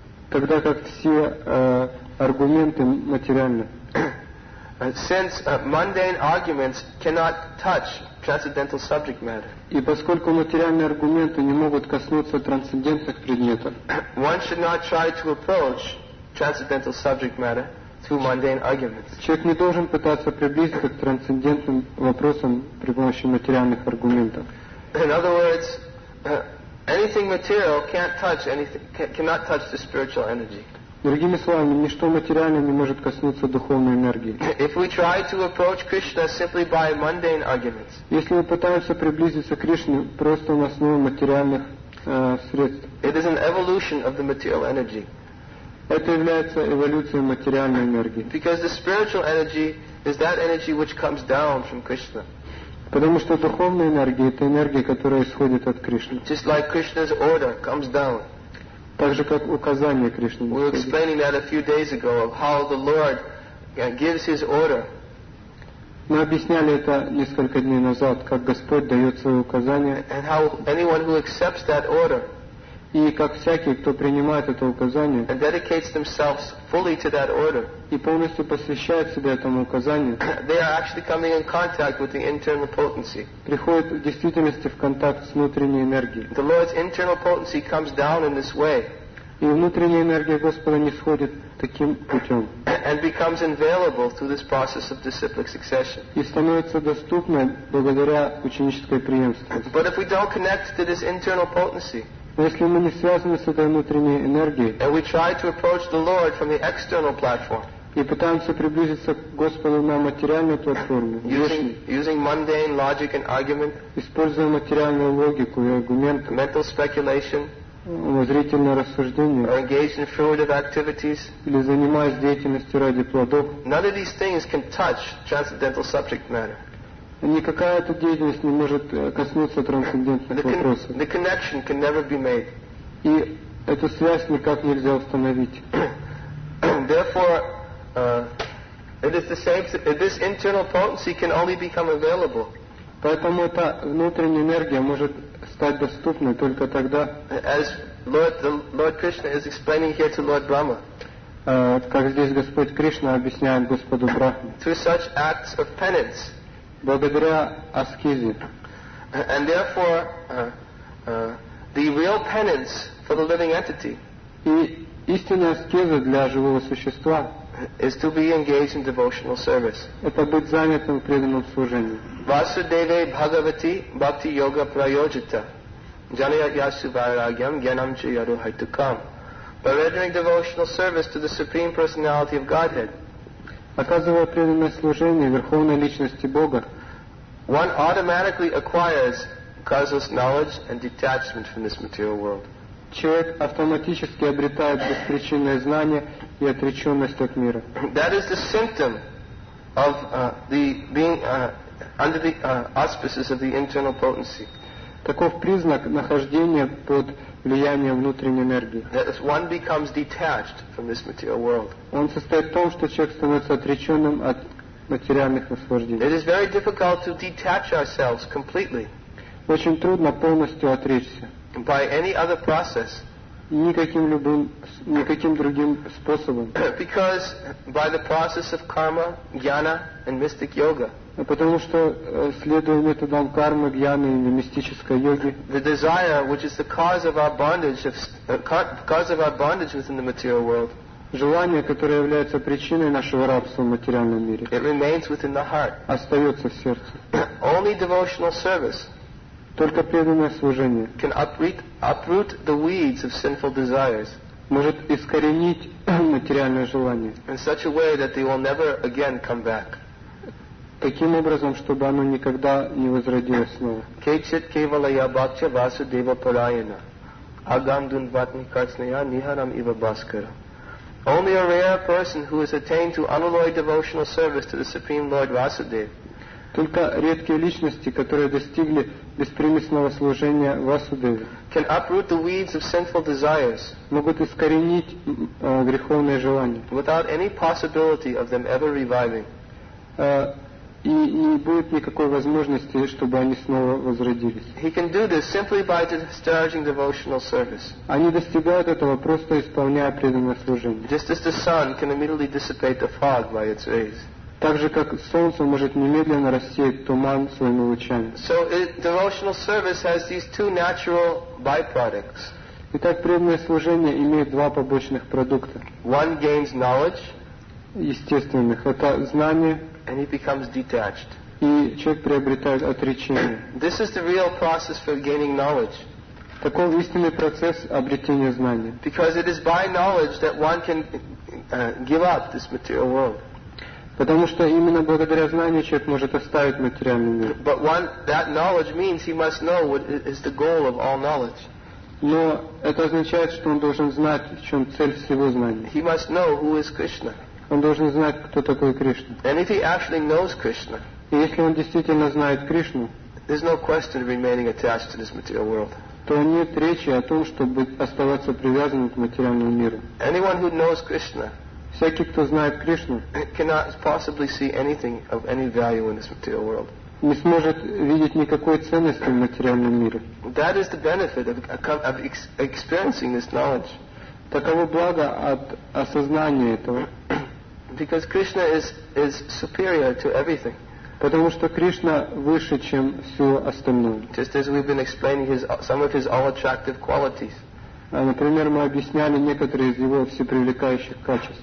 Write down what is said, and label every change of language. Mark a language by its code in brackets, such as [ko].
[ru] Тогда как все аргументы материальны. [en] Since mundane arguments cannot touch transcendental subject matter. [ru] И поскольку материальные аргументы не могут коснуться трансцендентных предметов, [en] one should not try to approach transcendental subject matter through mundane arguments. [ru] Человек не должен пытаться приблизиться к трансцендентным вопросам при помощи материальных аргументов. [en] In other words, anything material can't touch cannot touch the spiritual energy. [ru] Другими словами, ничто материальное не может коснуться духовной энергии. [en] If we try to approach Krishna simply by mundane arguments, [ru] если мы пытаемся приблизиться к Кришне просто на основе материальных средств, [en] it is an evolution of the material energy. [ru] Это является эволюцией материальной энергии. [en] Because the spiritual energy is that energy which comes down from Krishna. [ru] Потому что духовная энергия — это энергия, которая исходит от Кришны. [en] Just like Krishna's order comes down. [ru] Так же, как указание Кришны. [en] We were explaining that a few days ago of how the Lord gives His order. [ru] Мы объясняли это несколько дней назад, как Господь дает свои указания. [en] And how anyone who accepts that order. [ru] И как всякий, кто принимает это указание, [en] and dedicates themselves fully to that order, [ru] и полностью посвящает себя этому указанию, [en] they are actually coming in contact with the internal potency. [ru] Приходит в действительности в контакт с внутренней энергией. [en] The Lord's internal potency comes down in this way. [ru] И внутренняя энергия Господа нисходит таким путем. [en] And becomes available through this process of disciplic succession. [ru] И становится доступна благодаря ученической преемственности. [en] But if we don't connect to this internal potency, [ru] но если мы не связаны с этой внутренней энергией, [en] and we try to approach the Lord from the external platform, [ru] и пытаемся приблизиться к Господу на материальной платформе, [en] using mundane logic and argument, [ru] используя материальную логику и аргументы, [en] mental speculation, [ru] умозрительное рассуждение, [en] or engaged in fruitive activities, [ru] или занимаясь деятельностью ради плодов, [en] none of these things can touch transcendental subject matter. [ru] Никакая эта деятельность не может коснуться трансцендентных вопросов. [en] The connection can never be made. [ru] И эту связь никак нельзя установить. [en] Therefore, it is the same. This internal potency can only become available. [ru] Поэтому эта внутренняя энергия может стать доступной только тогда. [en] As Lord Krishna is explaining here to Lord Brahma. [ru] Как здесь Господь Кришна объясняет Господу Брахме. [en] Through such acts of penance. [ru] Благодаря аскезе. [en] And therefore, the real penance for the living entity. [ru] И истинная аскеза для живого существа. [en] Is to be engaged in devotional service. [ru] Это быть занятым в преданном служении. [sa] Vasudeve bhagavati bhakti yoga prayojita janaya yasu vairagyam gyanam cha yadu haitukam. [en] By rendering devotional service to the Supreme Personality of Godhead. [ru] Оказывая преданное служение Верховной Личности Бога, [en] one automatically acquires causeless knowledge and detachment from this material world. [ru] Человек автоматически обретает беспричинное знание и отреченность от мира. [en] That is the symptom of the being under the auspices of the internal potency. [ru] Таков признак нахождения под влияние внутренней энергии. [en] That is, one becomes detached from this material world. [ru] Он состоит в том, что человек становится отреченным от материальных наслаждений. [en] It is very difficult to detach ourselves completely. [ru] Очень трудно полностью отречься. [en] By any other process. [ru] Никаким другим способом. [en] Because by the process of karma, jnana, and mystic yoga. [ru] Потому что, следуя методам кармы, гьяны или мистической йоги, [en] the desire, which is the cause of our bondage, within the material world, [ru] желание, которое является причиной нашего рабства в материальном мире, [en] it remains within the heart. [ru] Остается в сердце. [en] Only devotional service, [ru] только преданное служение, [en] can uproot the weeds of sinful desires, [ru] может искоренить материальное желание, [en] in such a way that they will never again come back. [ru] Таким образом, чтобы оно никогда не возродилось снова. [sa] Кейчит кевалая бхакча васудева параяна. Агам дунватни кацная нихарам ива баскара. [en] Only a rare person who has attained to unalloyed devotional service to the Supreme Lord Vasudev. [ru] Только редкие личности, которые достигли беспримесного служения Васудеве, [en] can uproot the weeds of sinful desires, [ru] могут искоренить греховные желания, [en] without any possibility of them ever reviving. [ru] И не будет никакой возможности, чтобы они снова возродились. [en] He can do this simply by discharging devotional service. [ru] Они достигают этого, просто исполняя преданное служение. [en] Just as the sun can immediately dissipate the fog by its rays. [ru] Так же, как солнце может немедленно рассеять туман своими лучами. [en] So devotional service has these two natural byproducts. [ru] Итак, преданное служение имеет два побочных продукта. [en] One gains knowledge. [ru] Естественных. Это знание. [en] And he becomes detached. [ru] И человек приобретает отречение. [en] This is the real process for gaining knowledge. [ru] Таков истинный процесс обретения знания. [en] Because it is by knowledge that one can give up this material world. [ru] Потому что именно благодаря знанию человек может оставить материальный мир. [en] But one, that knowledge means he must know what is the goal of all knowledge. [ru] Но это означает, что он должен знать, в чем цель всего знания. [en] He must know who is Krishna. [ru] Он должен знать, кто такой Кришна. [en] And if he actually knows Krishna, [ru] И если он действительно знает Кришну, [en] there's no question of remaining attached to this material world. [ru] То нет речи о том, чтобы оставаться привязанным к материальному миру. [en] Anyone who knows Krishna, [ru] всякий, кто знает Кришну, [en] cannot possibly see anything of any value in this material world. [ru] Не сможет видеть никакой ценности в материальном мире. [en] That is the benefit of experiencing this knowledge. [ru] Таково благо от осознания этого. [en] Because Krishna is superior to everything. [ru] Потому что Кришна выше, чем все остальное. [en] Just as we've been explaining some of his all attractive qualities. [ru] Например, мы объясняли некоторые из его всепривлекающих качеств.